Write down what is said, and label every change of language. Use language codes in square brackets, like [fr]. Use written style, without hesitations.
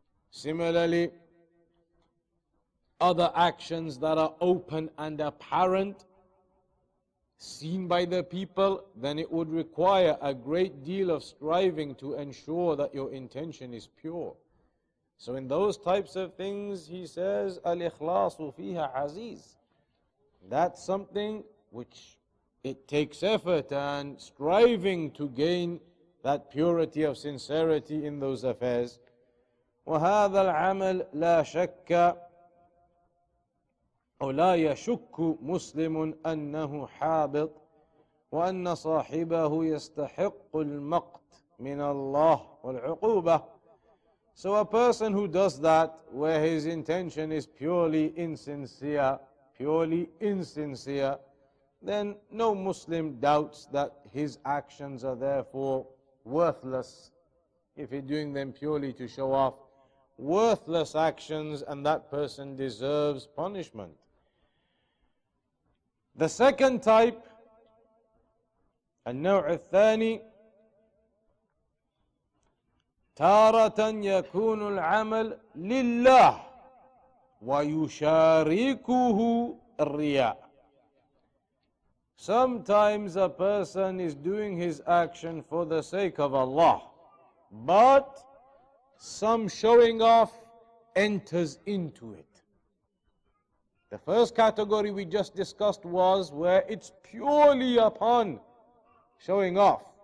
[en] Similarly, other actions that are open and apparent, seen by the people, then it would require a great deal of striving to ensure that your intention is pure. So in those types of things, he says, [ar] al-ikhlasu fiha aziz. [en] That's something which it takes effort and striving to gain that purity of sincerity in those affairs. [ar] وَهَذَا الْعَمَلُ لَا شَكَّ أو لا يشك مسلم أنه حابط وأن صاحبه يستحق المقت من الله والعقوبة. [en] So a person who does that where his intention is purely insincere, then no Muslim doubts that his actions are therefore worthless, if he's doing them purely to show off, worthless actions, and that person deserves punishment. The second type, [ar] النوع الثاني, تارة يكون العمل لله ويشاركه الرياء. [en] Sometimes a person is doing his action for the sake of Allah, but some showing off enters into it. The first category we just discussed was where it's purely upon showing off.